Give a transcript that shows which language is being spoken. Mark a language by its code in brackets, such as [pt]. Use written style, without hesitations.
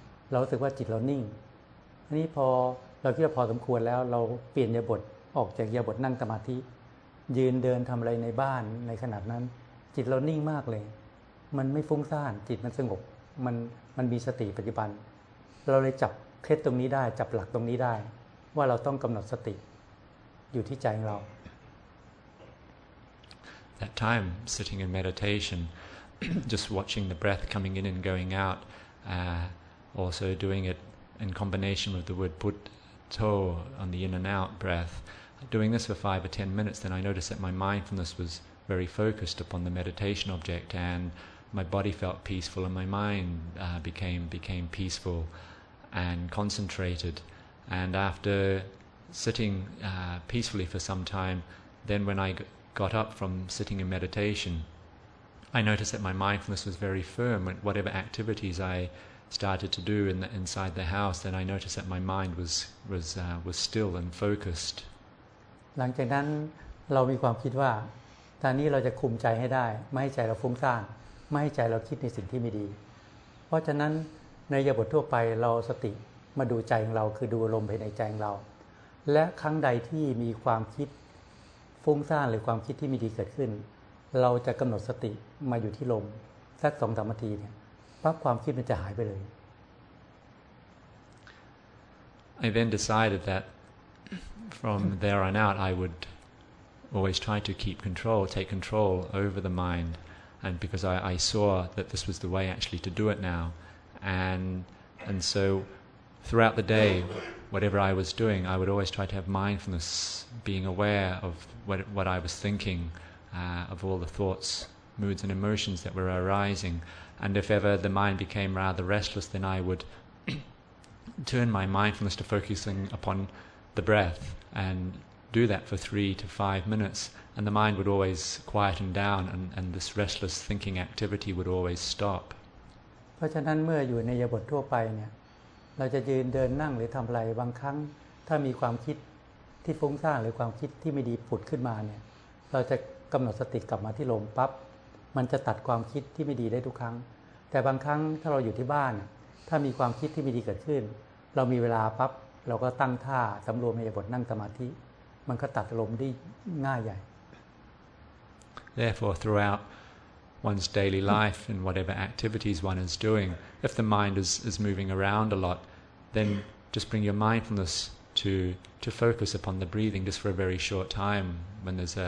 [th] เรารู้สึกว่าจิตเรานิ่งอันนี้พอเราคิดว่าพอสมควรแล้วเราเปลี่ยนยาบทออกจากยาบทนั่งสมาธิยืนเดินทำอะไรในบ้านในขนาดนั้นจิตเรานิ่งมากเลยมันไม่ฟุ้งซ่านจิตมันสงบมันมีสติปัจจุบันเราเลยจับเคล็ดตรงนี้ได้จับหลักตรงนี้ได้ว่าเราต้องกำหนดสติอยู่ที่ใจของเรา [en] That time sitting in meditation just watching the breath coming in and going out also doing it in combination with the word putto on the in and out breath doing this for 5 or 10 minutes then I noticed that my mindfulness was very focused upon the meditation object andMy body felt peaceful, and my mind became peaceful and concentrated. And after sitting peacefully for some time, then when I got up from sitting in meditation, I noticed that my mindfulness was very firm. Whatever activities I started to do inside the house, then I noticed that my mind was still and focused. [th] หลังจากนั้นเรามีความคิดว่าตอนนี้เราจะคุมใจให้ได้ไม่ให้ใจเราฟุ้งซ่านไม่ให้ใจเราคิดในสิ่งที่ไม่ดีเพราะฉะนั้นในยาบททั่วไปเราสติมาดูใจของเราคือดูอารมณ์ภายในใจของเราและครั้งใดที่มีความคิดฟุ้งซ่านหรือความคิดที่ไม่ดีเกิดขึ้นเราจะกำหนดสติมาอยู่ที่ลมสัก 2-3 นาทีเนี่ยปั๊บความคิดมันจะหายไปเลย [en] I then decided that from there on out I would always try to keep control take control over the mindAnd because I saw that this was the way actually to do it now, and so throughout the day, whatever I was doing, I would always try to have mindfulness, being aware of what I was thinking, of all the thoughts, moods, and emotions that were arising. And if ever the mind became rather restless, then I would turn my mindfulness to focusing upon the breath and. Do that for 3 to 5 minutes, and the mind would always quieten down, and this restless thinking activity would always stop. [th] เพราะฉะนั้นเมื่ออยู่ในยาบททั่วไปเนี่ยเราจะยืนเดินนั่งหรือทำอะไรบางครั้งถ้ามีความคิดที่ฟุ้งซ่านหรือความคิดที่ไม่ดีผุดขึ้นมาเนี่ยเราจะกำหนดสติกลับมาที่ลมปั๊บมันจะตัดความคิดที่ไม่ดีได้ทุกครั้งแต่บางครั้งถ้าเราอยู่ที่บ้านถ้ามีความคิดที่ไม่ดีเกิดขึ้นเรามีเวลาปั๊บเราก็ตั้งท่าสำรวมในยาบทนั่งสมาธิมันก็ตัดลมได้ง่ายใหญ่ [en] Therefore throughout one's daily life and whatever activities one is doing if the mind is moving around a lot then just bring your mindfulness to focus upon the breathing just for a very short time when